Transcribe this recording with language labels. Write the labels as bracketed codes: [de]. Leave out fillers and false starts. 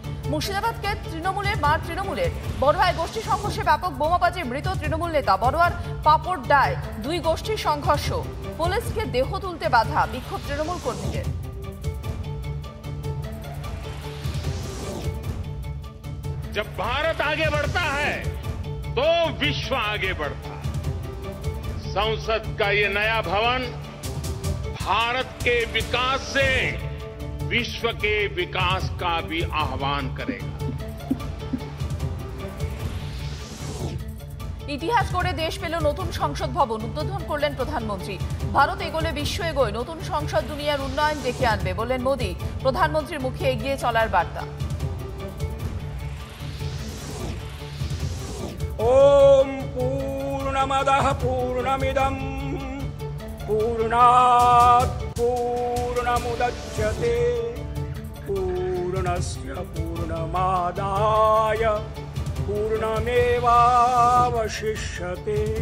[bn] মুর্শিদাবাদকে তৃণমূলের মার তৃণমূলের, বড়ুয়ায় গোষ্ঠী সংঘর্ষে ব্যাপক বোমাবাজি, মৃত তৃণমূল নেতা বড়ুয়ার পাপড় ডায়, দুই গোষ্ঠীর সংঘর্ষ, পুলিশকে দেহ তুলতে বাধা, বিক্ষোভ তৃণমূল কর্মীদের। [hi] जब भारत आगे बढ़ता है तो विश्व आगे बढ़ता है। संसद का ये नया भवन भारत के विकास से विश्व के विकास का भी आह्वान करेगा। [bn] ইতিহাস গড়ে দেশ পেল নতুন সংসদ ভবন, উদ্বোধন করলেন প্রধানমন্ত্রী। ভারত এগোলে বিশ্ব এগোয়, নতুন সংসদ দুনিয়ার উন্নয়ন দেখে আনবে বললেন মোদী, প্রধানমন্ত্রীর মুখে এগিয়ে চলার বার্তা। [sa] ॐ पूर्णमदः पूर्णमिदं पूर्णात् पूर्णमुदच्यते पूर्णस्य पूर्णमादाय पूर्णमेवावशिष्यते।